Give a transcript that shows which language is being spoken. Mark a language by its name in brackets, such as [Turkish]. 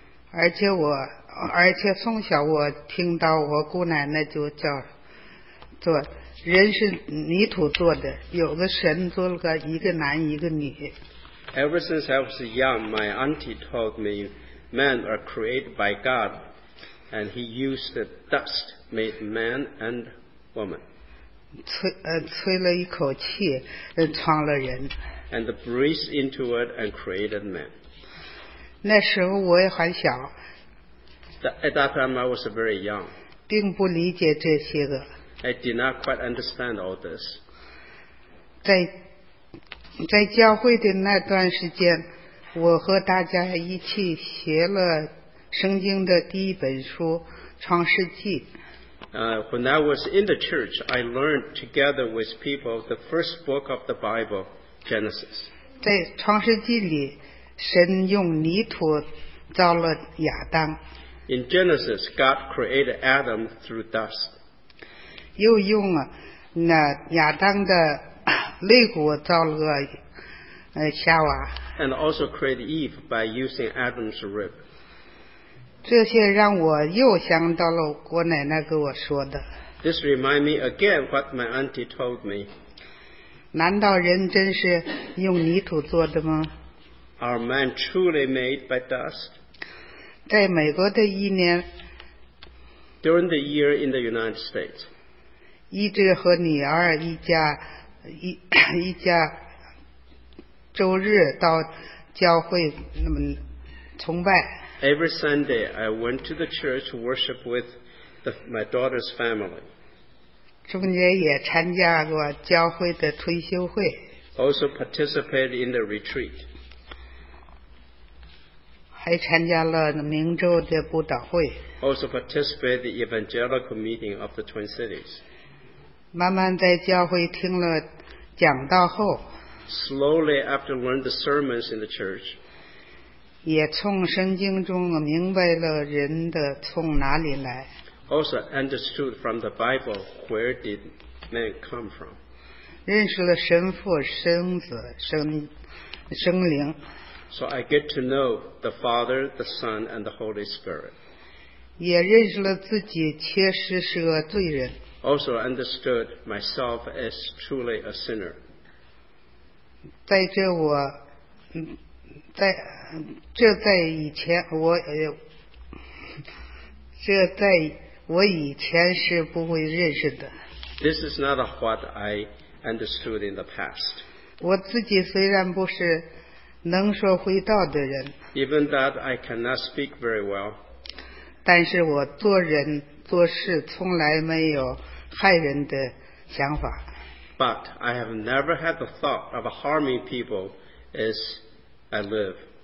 [Chinese] 而且从小我听到我姑奶奶就叫做人是泥土做的，有个神做了个一个男一个女。 [English] Ever since I was young, my auntie told me men are created by God, and he used the dust made man and woman. [Chinese] 吹了一口气，创了人。 [English] And breathed into it and created man. [Chinese] 那时候我也很小。 [English] At that time I was very young. [Chinese] 并不理解这些个。 [English] I did not quite understand all this. [Chinese] 在教会的那段时间，我和大家一起学了圣经的第一本书《创世纪》。 [English] When I was in the church, I learned together with people the first book of the Bible, Genesis. [Chinese] 在《创世纪》里，神用泥土造了亚当。 [English] In Genesis, God created Adam through dust. [Chinese] 又用了那亚当的肋骨造了个夏娃。 [English] And also created Eve by using Adam's rib. [Chinese] 这些让我又想到了我奶奶跟我说的。 [English] This reminds me again what my auntie told me. [Chinese] 难道人真是用泥土做的吗？ [English] Are man truly made by dust? [Chinese] 在美国的一年。 [English] During the year in the United States. [Chinese] 一直和女儿一家周日到教会那么崇拜。 [English] Every Sunday, I went to the church to worship with my daughter's family. [Chinese] 中间也参加过教会的退休会。 [English] Also participated in the retreat. [Chinese] 还参加了明州的布道会。 [English] Also participated in the evangelical meeting of the Twin Cities. [Chinese] 慢慢在教会听了讲道后 [English] slowly after learning the sermons in the church, [Chinese] 也从圣经中明白了人的从哪里来。 [English] Also understood from the Bible where did man come from. [Chinese] 认识了神父、生子、生灵。 [English] So I get to know the Father, the Son, and the Holy Spirit. [Chinese] 也认识了自己确实是个罪人。 [English] Also understood myself as truly a sinner. [Chinese] 在这我在这在以前我这在我以前是不会认识的。 [English] This is not what I understood in the past. [Chinese] 我自己虽然不是能说会道的人。 [English] Even that I cannot speak very well. [Chinese] 但是我做人做事从来没有害人的想法。 [English] But I have never had the thought of harming people as I live.